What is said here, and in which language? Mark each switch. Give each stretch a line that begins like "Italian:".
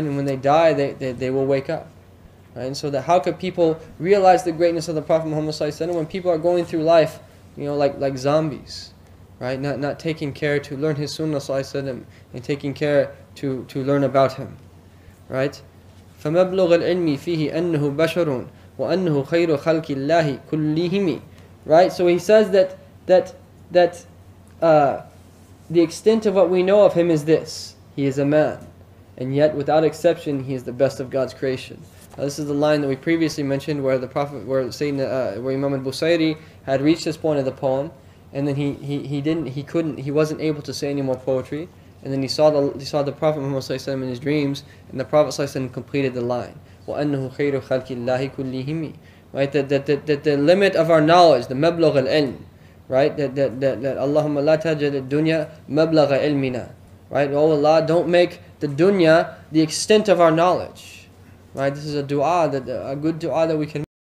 English: And when they die, they will wake up. Right? And so that how could people realize the greatness of the Prophet Muhammad Sallallahu Alaihi Wasallam when people are going through life, you know, like zombies, right? Not taking care to learn his Sunnah Sallallahu Alaihi Wasallam and taking care to learn about him, right?
Arabic: فمبلغ العلم فيه أنه بشر وأنه خير خلق الله كلهم, right?
English: So he says that the extent of what we know of him is this: he is a man. And yet, without exception, he is the best of God's creation. Now, this is the line that we previously mentioned, where the Prophet, where Imam al-Busayri had reached this point of the poem, and then he wasn't able to say any more poetry, and then he saw the Prophet Muhammad Sallallahu Alaihi Wasallam in his dreams, and the Prophet Sallallahu Alaihi Wasallam completed the line.
Arabic: وَأَنَّهُ خَيْرُ خَلْقِ اللَّهِ كُلِّهِمِ, right?
English: That the limit of our knowledge, the
Arabic: مَبْلَغَ الْعِلْمِ,
English: right?
Arabic: That اللَّهُمَّ لَا تَجْعَلِ الدُّنْيَا مَبْلَغَ عِلْمِنَا, right?
English: Oh Allah, don't make the dunya the extent of our knowledge, right? This is a dua, a good dua that we can